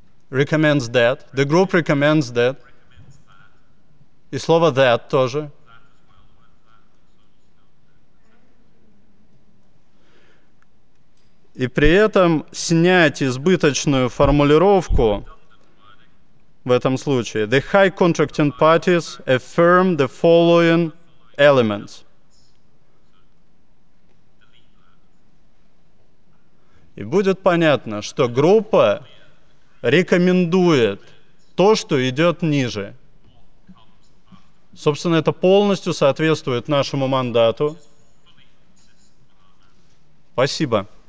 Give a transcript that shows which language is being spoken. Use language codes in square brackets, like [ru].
[en] «Recommends that», «The group recommends that». [ru] И слово «that» тоже. И при этом снять избыточную формулировку в этом случае. [en] The high contracting parties affirm the following elements. [ru] И будет понятно, что группа рекомендует то, что идет ниже. Собственно, это полностью соответствует нашему мандату. Спасибо.